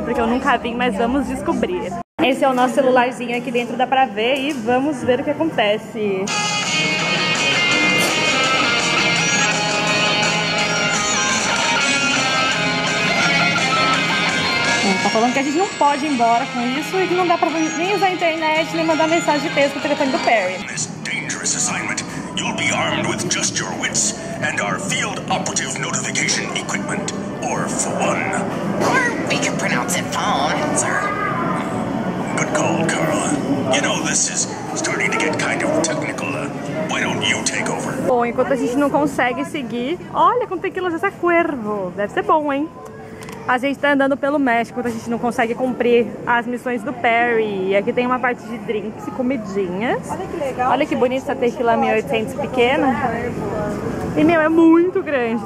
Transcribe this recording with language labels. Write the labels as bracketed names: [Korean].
[Portuguese] Porque eu nunca vim, mas vamos descobrir. Esse é o nosso celularzinho aqui dentro, dá pra ver, e vamos ver o que acontece. Tá falando que a gente não pode ir embora com isso e que não dá pra nem usar a internet nem mandar mensagem de texto pro telefone do Perry. [English] This dangerous assignment, you'll be armed with just your wits and our field operative notification equipment, or phone. Or we could pronounce it phone, sir. Good call, Carla. You know, this is starting to get kind of technical. Why don't you take over? [Portuguese] Bom, enquanto a gente não consegue seguir, olha quanto tem quilos essa cuervo. Deve ser bom, hein? A gente tá andando pelo México, a gente não consegue cumprir as missões do Perry. Aqui tem uma parte de drinks e comidinhas. Olha que legal. Olha que bonita essa tequila 1800 pequena. E, meu, é muito grande.